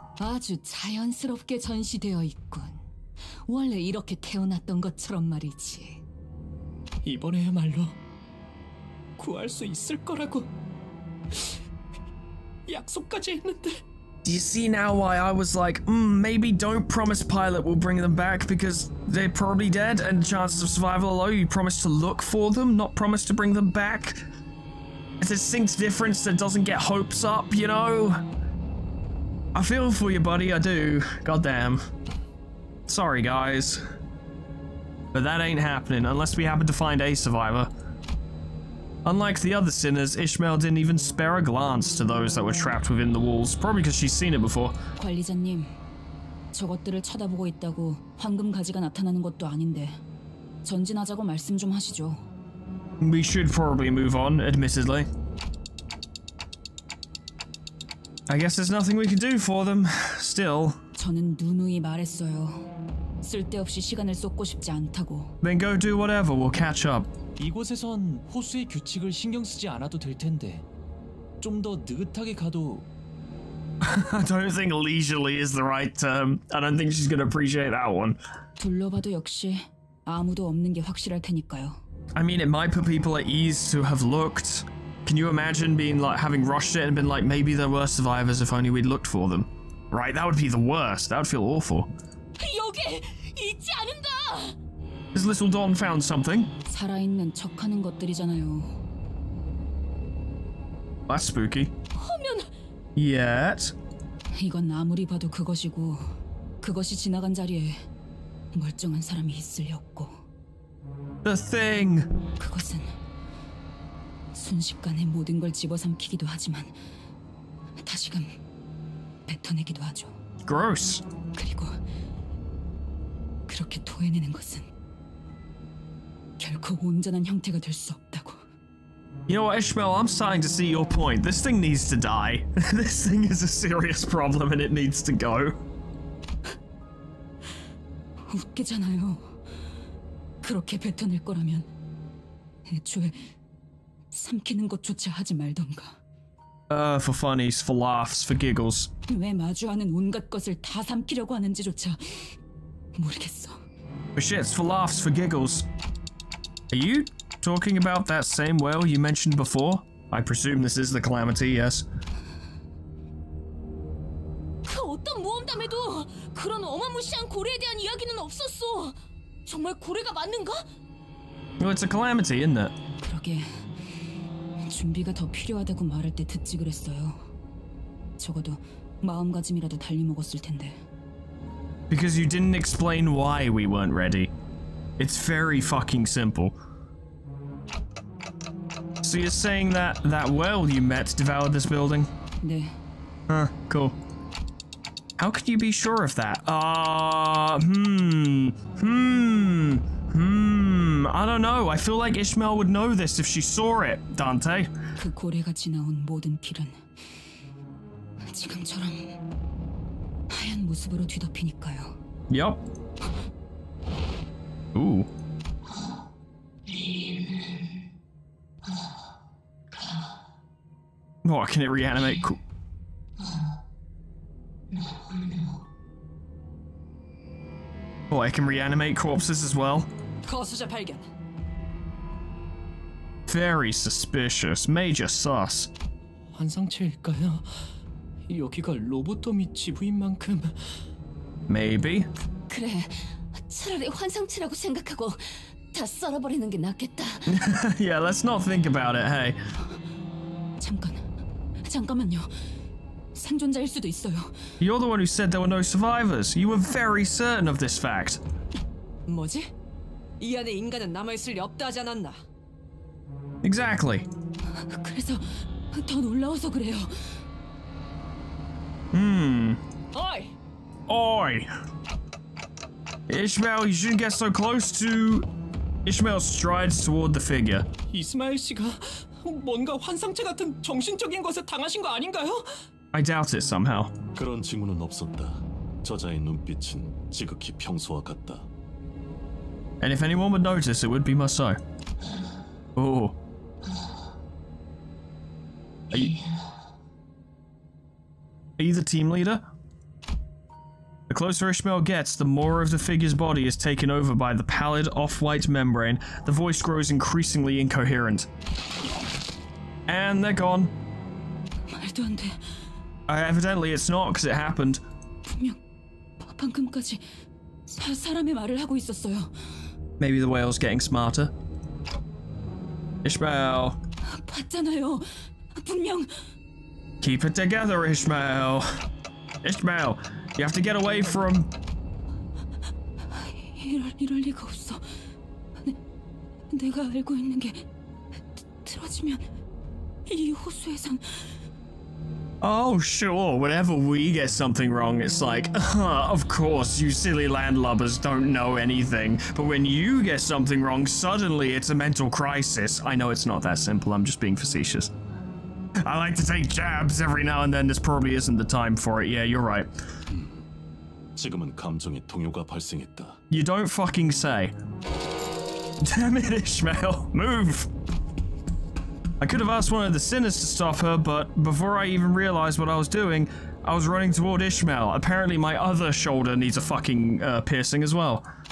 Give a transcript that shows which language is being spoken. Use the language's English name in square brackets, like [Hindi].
[Korean] 아주 자연스럽게 전시되어 있군. 원래 이렇게 태어났던 것처럼 말이지. 이번에야말로 구할 수 있을 거라고 약속까지 했는데. [English] Do you see now why I was like, maybe don't promise Pilot will bring them back because they're probably dead and chances of survival are low? You promise to look for them, not promise to bring them back? It's a distinct difference that doesn't get hopes up, you know? I feel for you, buddy, I do. Goddamn. Sorry, guys. But that ain't happening unless we happen to find a survivor. Unlike the other sinners, Ishmael didn't even spare a glance to those that were trapped within the walls, probably because she's seen it before. [Korean] 관리자님, 저것들을 쳐다보고 있다고 황금 가지가 나타나는 것도 아닌데 전진하자고 말씀 좀 하시죠. [English] We should probably move on, admittedly. I guess there's nothing we can do for them, still. [Korean] 저는 누누이 말했어요. 쓸데없이 시간을 쏟고 싶지 않다고. [English] Then go do whatever, we'll catch up. [Korean] 이곳에선 호수의 규칙을 신경 쓰지 않아도 될 텐데 좀 더 느긋하게 가도 [English] I don't think leisurely is the right term. I don't think she's going to appreciate that one. [Korean] 둘러봐도 역시 아무도 없는 게 확실할 테니까요. [English] I mean, it might put people at ease to have looked. Can you imagine being like having rushed it and been like, maybe there were survivors if only we'd looked for them? Right, that would be the worst. That would feel awful. [Korean] 여기 있지 않은가? [English] Has little Dawn found something? [Korean] 살아있는 척하는 것들이잖아요. [English] That's spooky. [Korean] 하면... [English] Yet. [Korean] 이건 아무리 봐도 그것이고 그것이 지나간 자리에 멀쩡한 사람이 있을 리 없고. [English] The thing. [Korean] 그것은 순식간에 모든 걸 집어삼키기도 하지만 다시금 뱉어내기도 하죠. [English] Gross. [Korean] 그리고 그렇게 토해내는 것은 결코 온전한 형태가 될 수 없다고. [English] You know what, Ishmael, I'm starting to see your point. This thing needs to die. This thing is a serious problem and it needs to go. [Korean] 웃기잖아요. 그렇게 뱉어낼 거라면 애초에 삼키는 것조차 하지 말던가. [English] For funnies, for laughs, for giggles. [Korean] 왜 마주하는 온갖 것을 다 삼키려고 하는지조차 모르겠어. [English] But shit, it's for laughs, for giggles. Are you talking about that same whale you mentioned before? I presume this is the calamity, yes. [Korean] 그 어떤 모험담에도 그런 어마무시한 고래에 대한 이야기는 없었어. 정말 고래가 맞는가? [English] Well, it's a calamity, isn't it? [Korean] 그러게. 준비가 더 필요하다고 말할 때 듣지 그랬어요. 적어도 마음가짐이라도 달리 먹었을 텐데. [English] Because you didn't explain why we weren't ready. It's very fucking simple. So you're saying that that whale you met devoured this building? [Korean] 네. [English] Huh, cool. How could you be sure of that? I don't know. I feel like Ishmael would know this if she saw it, Dante. [Korean] 그 고래가 지나온 모든 길은 지금처럼 하얀 모습으로 뒤덮이니까요. [English] Yep. Ooh. What, can it reanimate? Cool. Oh, I can reanimate corpses as well. Corpses are pagan. Very suspicious. Major sus. [Korean] 환상체일까요? 여기가 로보토미 집인 만큼. [English] Maybe. [Korean] 그래. 차라리 환상체라고 생각하고 다 썰어버리는 게 낫겠다. [English] Yeah, let's not think about it. Hey. [Korean] 잠깐. 잠깐만요. 생존자일 수도 있어요. [English] You're the one who said there were no survivors. You were very certain of this fact. [Korean] 뭐지? 이 안에 인간은 남아있을 리 없다 하지 않았나? [English] Exactly. [Korean] 그래서 더 놀라워서 그래요. [English] Oi! Oi! Ishmael, you shouldn't get so close to... Ishmael strides toward the figure. [Korean] 이스마엘 씨가 뭔가 환상체 같은 정신적인 것에 당하신 거 아닌가요? [English] I doubt it somehow. [Korean] 그런 친구는 없었다. 저자의 눈빛은 지극히 평소와 같다. [English] And if anyone would notice, it would be my soul. Oh. Are you the team leader? The closer Ishmael gets, the more of the figure's body is taken over by the pallid off-white membrane. The voice grows increasingly incoherent. And they're gone. [Korean] 말도 안 돼. [English] Evidently, it's not, because it happened. [Korean] 분명 방금까지 사람의 말을 하고 있었어요. [English] Maybe the whale's getting smarter. Ishmael. [Korean] 봤잖아요. 분명. [English] Keep it together, Ishmael. Ishmael, you have to get away from. [Korean] 이럴 리가 없어. 내가 알고 있는 게 틀어지면 이 호수에선. [English] Oh, sure. Whenever we get something wrong, it's like, of course, you silly landlubbers don't know anything. But when you get something wrong, suddenly it's a mental crisis. I know it's not that simple. I'm just being facetious. I like to take jabs every now and then. This probably isn't the time for it. Yeah, you're right. [Korean] 지금은 감정의 동요가 발생했다. [English] You don't fucking say. Damn it, Ishmael. Move. I could have asked one of the sinners to stop her, but before I even realized what I was doing, I was running toward Ishmael. Apparently my other shoulder needs a fucking piercing as well.